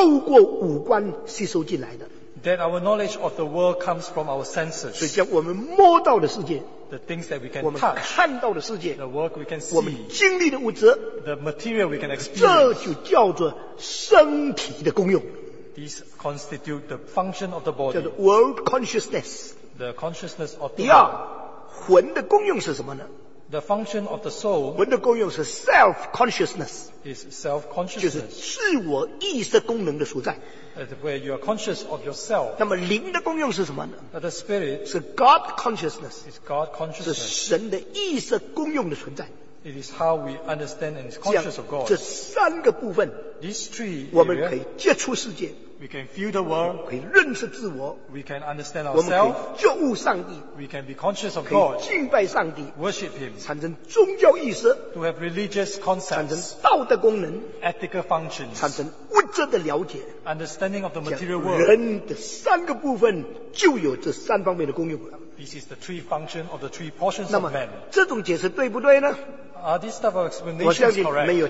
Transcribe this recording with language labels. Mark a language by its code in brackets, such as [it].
[zh] 我们对外界一切的知识透过五官吸收进来的。 [en] That our knowledge of the world comes from our senses. [zh] 所以将我们摸到的世界, [en] the things that we can [zh] 我们看到的世界, [en] touch, the work we can see, [zh] 我们经历的物质, [en] the material we can experience. [zh] 这就叫做身体的功用。 [en] These constitute the function of the body. [zh] 叫做 [en] world consciousness. The consciousness of the [zh] 第二, 魂的功用是什么呢? [en] The function of the soul. [zh] 魂的功用是 [en] self consciousness. Is self consciousness. [zh] 就是自我意识功能的所在。 [en] Where you are conscious of yourself. [zh] 那么灵的功用是什么呢? [en] But the spirit. [zh] 是 [en] God consciousness. Is God consciousness. [zh] 是神的意识功用的存在。 [en] It is how we understand and is conscious of God. [zh] 这三个部分, [en] these three areas, [zh] 我们可以接触世界, [en] we can feel the world, [zh] 可以认识自我, [en] we can understand ourselves, we can be conscious of God, [zh] 可以敬拜上帝, [en] worship Him, [zh] 产生宗教意识, [en] to have religious concepts, [zh] 产生道德功能, [en] ethical functions, [zh] 产生物质的了解, [en] understanding of the material world. [zh] 人的三个部分, 就有这三方面的功用了。 [en] This is the three functions of the three portions of man. [zh] 这种解释对不对呢? [en] Are this type of explanation correct?